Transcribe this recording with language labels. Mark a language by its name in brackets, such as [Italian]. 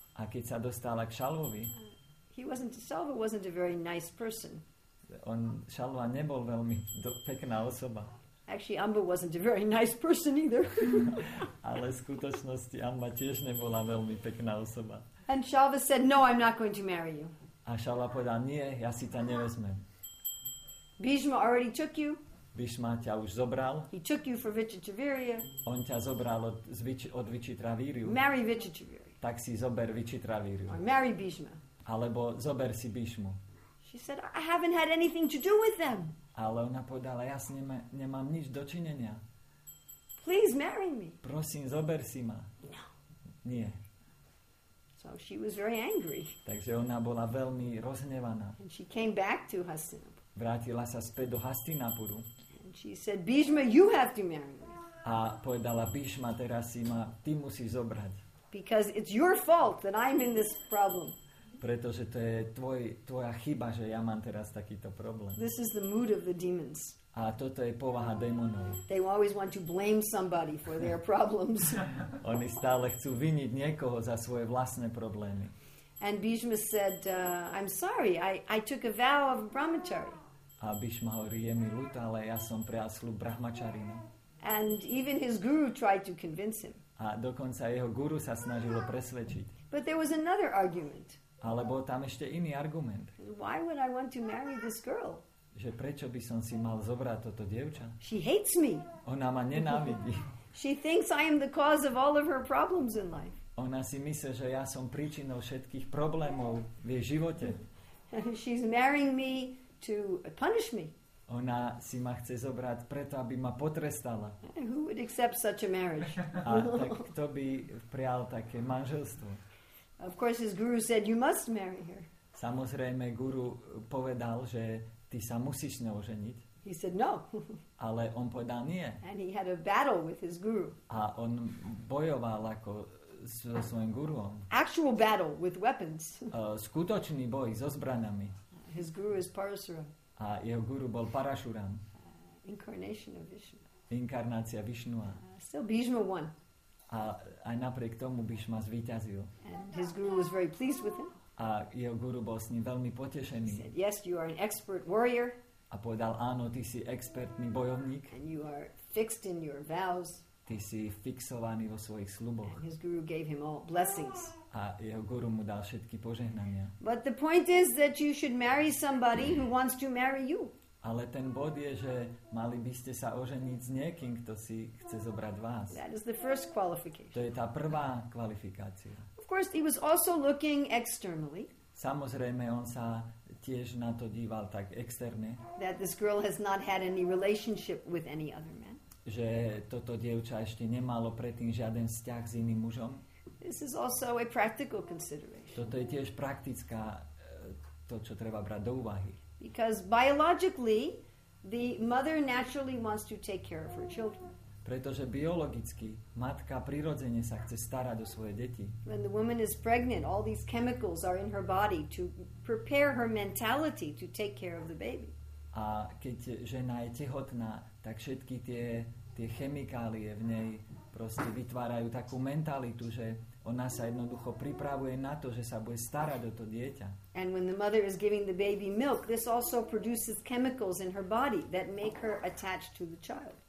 [Slovak] A keď sa dostala k Shalvovi. [English] Shalva wasn't a very nice person. [Slovak] On Shalva nebol veľmi pekná osoba. [English] Actually, Amba wasn't a very nice person either. [Slovak] Ale v skutočnosti Amba tiež nebola veľmi pekná osoba. [English] And Shalva said, "No, I'm not going to marry you." [Slovak] A Shalva povedal, nie, ja si ťa nevezmem. [English] Bhishma already took you. [Slovak] Bhishma ťa už zobral. [English] He took you for Vichitravirya. [Slovak] On ťa zobral od Vichitravirya. [English] Marry Vichitravirya. [Slovak] Tak si zober Vichitravirya. [English] Or marry Bhishma. [Slovak] Alebo zober si Bhishmu. [English] She said, I haven't had anything to do with them. [Slovak] Ale ona povedala, ja s nimi nemám nič dočinenia. [English] Please marry me. [Slovak] Prosím, zober si ma. [English] No. [Slovak] Nie. [English] So she was very angry. [Slovak] Takže ona bola veľmi rozhnevaná. [English] And she came back to Hastinapur. [Slovak] Vrátila sa späť do Hastinapuru. [English] And she said, Bhishma, you have to marry me. [Slovak] A povedala, Bhishma, teraz si ma, ty musíš zobrať. [English] Because it's your fault that I'm in this problem. [Slovak] Pretože to je tvoja chyba, že ja mám teraz takýto problém. [English] This is the mood of the demons. [Slovak] A toto je povaha démonov. [English] They always want to blame somebody for their problems. [Slovak] Oni stále chcú viniť niekoho za svoje vlastné problémy. [English] And Bhishma said, I'm sorry, I took a vow of brahmachari. [Slovak] A Bhishma hovorí, je mi ľúto, ale ja som prijal sľub brahmačarina. [English] And even his guru tried to convince him. [Slovak] A dokonca jeho guru sa snažilo presvedčiť. [English] But there was another argument. [Slovak] Ale bol tam ešte iný argument. [English] Why would I want to marry this girl? [Slovak] Že prečo by som si mal zobrať toto dievča? [English] She hates me. [Slovak] Ona ma nenávidí. [English] She thinks I am the cause of all of her problems in life. [Slovak] Ona si myslí, že ja som príčinou všetkých problémov v jej živote. [English] She's marrying me to punish me. [Slovak] Ona si ma chce zobrať preto, aby ma potrestala. [English] Who would accept such a marriage? [Slovak] A tak kto by prijal také manželstvo? [English] Of course, his guru said, you must marry her. [Slovak] Samozrejme, guru povedal, že ty sa musíš s ňou oženiť. [English] He said, no. [Slovak] Ale on povedal, nie. [English] And he had a battle with his guru. [Slovak] A on bojoval ako so svojím guruom. [English] Actual battle with weapons. [Slovak] Skutočný boj so zbraňami. [English] His guru is Parashuram. [Slovak] A jeho guru bol Parashuram. [English] Incarnation of Vishnu. [Slovak] Inkarnácia Vishnua. [English] Still Bhishma won. [Slovak] A aj napriek tomu Bhishma zvíťazil. [English] And his guru was very pleased with him. [Slovak] A jeho guru bol s ním veľmi potešený. [English] He said, yes, you are an expert warrior. [Slovak] A povedal, áno, ty si expertný bojovník. [English] And you are fixed in your vows. [Slovak] Ty si fixovaný vo svojich sľuboch. [English] And his guru gave him all blessings. [Slovak] A jeho guru mu dal všetky požehnania. [English] But the point is that you should marry somebody who wants to marry you. [Slovak] Ale ten bod je, že mali by ste sa oženiť s niekým, kto si chce zobrať vás. [English] That is the first qualification. [Slovak] To je tá prvá kvalifikácia. [English] Of course, he was also looking externally. [Slovak] Samozrejme, on sa tiež na to díval tak externe. [English] That this girl has not had any relationship with any other man. [Slovak] Že toto dievča ešte nemalo predtým žiaden vzťah s iným mužom. [English] This is also a practical consideration. [Slovak] Toto je tiež praktická, to, čo treba brať do úvahy. [English] Because biologically, the mother naturally wants to take care of her children. [Slovak] Pretože biologicky matka prirodzene sa chce starať o svoje deti. [English] When the woman is pregnant, all these chemicals are in her body to prepare her mentality to take care of the baby. [Slovak] A keď žena je tehotná, tak všetky tie chemikálie v nej proste vytvárajú takú mentalitu, že ona sa jednoducho pripravuje na to, že sa bude starať o to dieťa. [English] And when the mother is giving the baby milk, this also produces chemicals in her body that make her attached to the child.